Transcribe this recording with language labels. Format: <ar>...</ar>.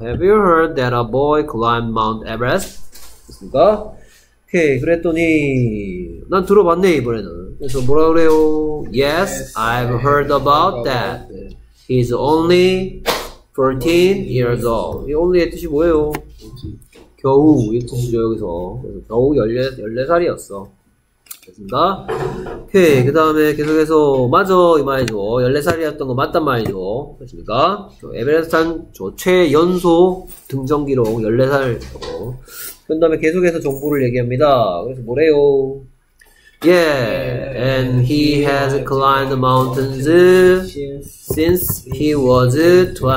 <en>Have you heard that a boy climbed Mount Everest?</en> <ko>됐습니까? 오케이 그랬더니 난 들어봤네 이번에는 그래서 뭐라 그래요?</ko> <en>Yes, I've heard about that. He's only 14 years old.</en> <ko>이 only의 뜻이 뭐예요? 겨우 이 뜻이죠 여기서 그래서 겨우 14살이었어 됐습니다. 오케이 그 다음에 계속해서 맞아 이 말이죠 14살이었던 거 맞단 말이죠 됐습니까? 에베레스트산 최연소 등정기록 14살이었고 그 다음에 계속해서 정보를 얘기합니다. 그래서 뭐래요?</ko> <en>Yeah, and he has climbed mountains since he was 12.</en>